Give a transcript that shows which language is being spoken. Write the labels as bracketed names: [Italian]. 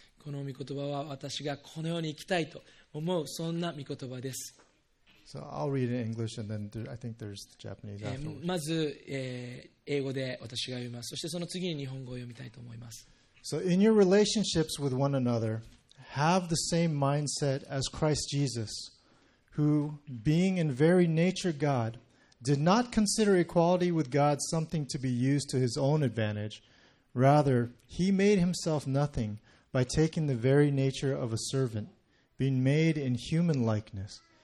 [Japanese] この御言葉は私がこのように生きたいと思うそんな御言葉です。 [English] So I'll read in English and then I think there's the Japanese afterwards. [Japanese] まず、英語で私が読みます。そしてその次に日本語を読みたいと思います。 [English] So in your relationships with one another, have the same mindset as Christ Jesus, who, being in very nature God, did not consider equality with God something to be used to his own advantage. Rather, he made himself nothing by taking the very nature of a servant, being made in human likeness.